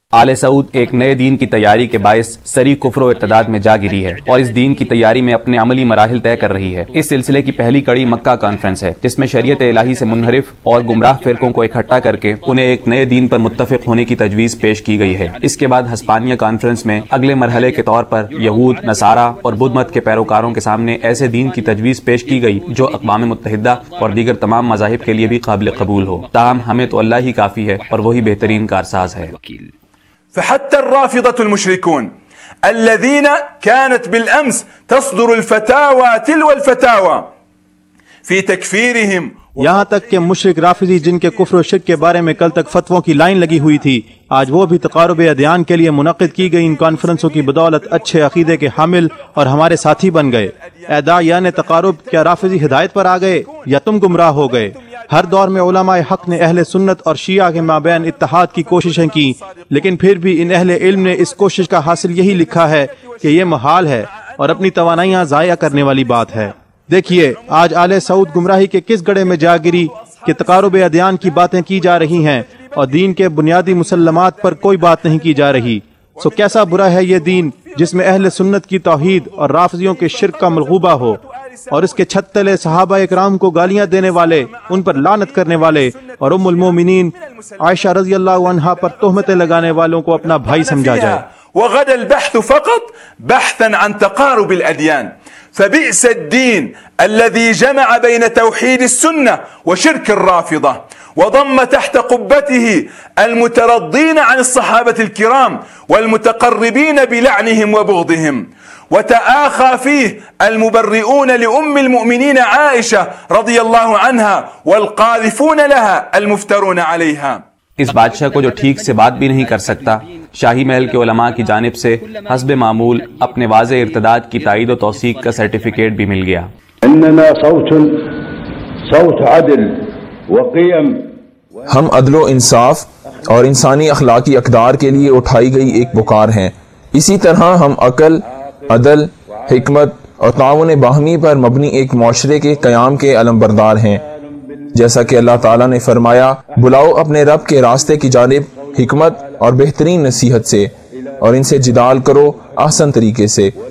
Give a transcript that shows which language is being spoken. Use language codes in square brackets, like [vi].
[ur] آل سعود ایک نئے دین کی تیاری کے باعث سری کفر و ارتداد میں جا گری ہے اور اس دین کی تیاری میں اپنے عملی مراحل طے کر رہی ہے۔ اس سلسلے کی پہلی کڑی مکہ کانفرنس ہے جس میں شریعت الہی سے منحرف اور گمراہ فرقوں کو اکٹھا کر کے انہیں ایک نئے دین پر متفق ہونے کی تجویز پیش کی گئی ہے۔ اس کے بعد ہسپانیہ کانفرنس میں اگلے مرحلے کے طور پر یہود، نصارہ اور بدھ مت کے پیروکاروں کے سامنے ایسے دین کی تجویز پیش کی گئی جو اقوام متحدہ اور دیگر تمام مذاہب کے لیے بھی قابل قبول ہو۔ تاہم ہمیں تو اللہ ہی کافی ہے اور وہی بہترین کارساز ہے۔ [ar] فحتى الرافضة المشركون الذين كانت بالأمس تصدر الفتاوى تلو الفتاوى في تكفيرهم، [ur] یہاں تک کہ مشرک رافضی جن کے کفر و شرک کے بارے میں کل تک فتووں کی لائن لگی ہوئی تھی، آج وہ بھی تقارب ادیان کے لیے منعقد کی گئی ان کانفرنسوں کی بدولت اچھے عقیدے کے حامل اور ہمارے ساتھی بن گئے۔ ادا یعنی تقارب، کیا رافضی ہدایت پر آ گئے یا تم گمراہ ہو گئے؟ ہر دور میں علماء حق نے اہل سنت اور شیعہ کے مابین اتحاد کی کوششیں کی، لیکن پھر بھی ان اہل علم نے اس کوشش کا حاصل یہی لکھا ہے کہ یہ محال ہے اور اپنی توانائیاں ضائع کرنے والی بات ہے۔ دیکھیے آج آل سعود گمراہی کے کس گڑے میں جا گری کہ تقارب ادیان کی باتیں کی جا رہی ہیں اور دین کے بنیادی مسلمات پر کوئی بات نہیں کی جا رہی۔ سو کیسا برا ہے یہ دین جس میں اہل سنت کی توحید اور رافضیوں کے شرک کا ملغوبہ ہو، اور اس کے چھت تلے صحابہ اکرام کو گالیاں دینے والے، ان پر لعنت کرنے والے اور ام المومنین عائشہ رضی اللہ عنہا پر تہمتیں لگانے والوں کو اپنا بھائی سمجھا جائے۔ [ar] وغدا البحث فقط بحثا عن تقارب الادیان فبئس الدین الذي جمع بين توحید السنه وشرك الرافضه وضم تحت قبته المترضين عن الصحابه الكرام والمتقربين بلعنهم وبغضهم وتآخى فيه المبرئون لأم المؤمنين عائشة رضي الله عنها والقاذفون لها المفترون عليها۔ [ur] اس بادشاہ کو جو ٹھیک سے بات بھی نہیں کر سکتا، شاہی محل کے علماء کی جانب سے حسب معمول اپنے واضح ارتداد کی تائید و توثیق کا سرٹیفیکیٹ بھی مل گیا۔ [ar] اننا صوت عدل وقیم، [ur] ہم عدل و انصاف اور انسانی اخلاقی اقدار کے لیے اٹھائی گئی ایک بکار ہیں، اسی طرح ہم عقل، عدل، حکمت اور تعاون باہمی پر مبنی ایک معاشرے کے قیام کے علمبردار ہیں، جیسا کہ اللہ تعالیٰ نے فرمایا، بلاؤ اپنے رب کے راستے کی جانب حکمت اور بہترین نصیحت سے اور ان سے جدال کرو احسن طریقے سے۔